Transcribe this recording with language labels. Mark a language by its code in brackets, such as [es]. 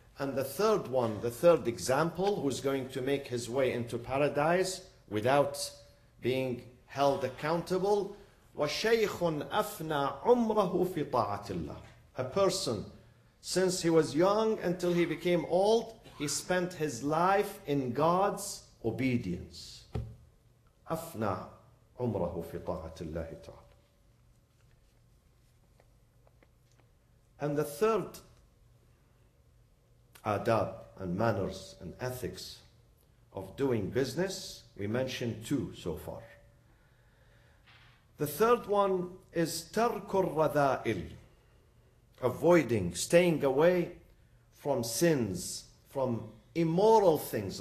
[en] And the third one, the third example, who's going to make his way into paradise without being held accountable, [ar] وَشَيْخٌ أَفْنَى عُمْرَهُ فِي طَاعَةِ اللَّهِ. [en] A person, since he was young until he became old, he spent his life in God's obedience. [ar] أفنى عمره في طاعة الله تعالى. [en] And the third adab and manners and ethics of doing business, we mentioned two so far. The third one is [ar] ترك الرذائل, [en] avoiding, staying away from sins, from immoral things.